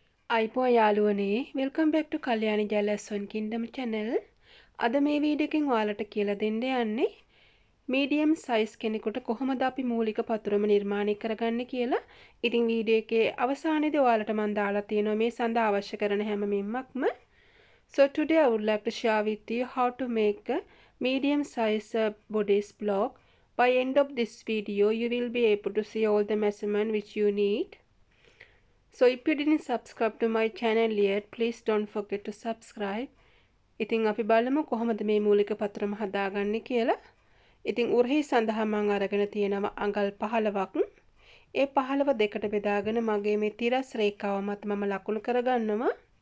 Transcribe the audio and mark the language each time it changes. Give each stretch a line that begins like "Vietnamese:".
Sinhala: අයිපෝ යාලුවනේ
English: welcome back to
Sinhala: Kalyani ජලසොන් කිංඩම් channel අද මේ video එකෙන් ඔයාලට කියලා දෙන්න යන්නේ මීඩියම් සයිස් කෙනෙකුට කොහොමද අපි මූලික පතුරුම නිර්මාණය කරගන්නේ කියලා. ඉතින් වීඩියෝ එකේ අවසානයේදී ඔයාලට මම දාලා තියෙනවා මේ සඳහා අවශ්‍ය කරන හැම මිම්මක්ම.
English: So today I would like to share with you how to make a medium size bodice block. By end of this video you will be able to see all the measurement which you need. So if you didn't subscribe to my channel yet, please don't forget to subscribe.
Sinhala: ඉතින් අපි බලමු කොහොමද මේ මූලික පතරම හදාගන්නේ කියලා. ඉතින් උරහිස සඳහා මම අරගෙන තියෙනවා අඟල් 15ක්. ඒ 15 දෙකට බෙදාගෙන මගේ මේ තිරස් රේඛාව මත මම ලකුණු කරගන්නවා.